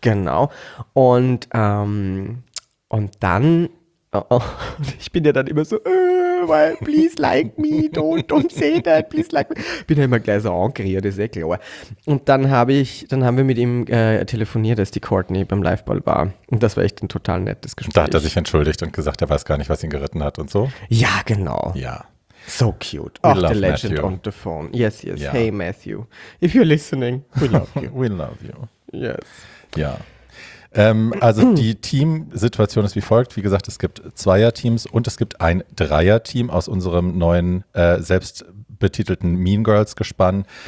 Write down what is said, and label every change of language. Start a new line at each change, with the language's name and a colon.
German: Genau. Und dann, ich bin ja dann immer so,
English: why, please like me,
German: don't say that, please like me. Bin ja immer gleich so angeriert, ist eh klar. Und dann haben wir mit ihm telefoniert, als die Courtney beim Liveball war. Und das war echt ein total nettes Gespräch. Da hat er sich entschuldigt und gesagt, er weiß gar nicht, was ihn geritten hat und so. Ja, genau. Ja.
English: So cute. Oh, the legend Matthew. On the phone. Yes, yes. Yeah. Hey, Matthew. If you're listening, we love you. We love you. Yes.
German: Ja. Also die Teamsituation ist wie folgt. Wie gesagt, es gibt Zweierteams und es gibt ein Dreierteam aus unserem neuen selbst betitelten Mean Girls Gespann.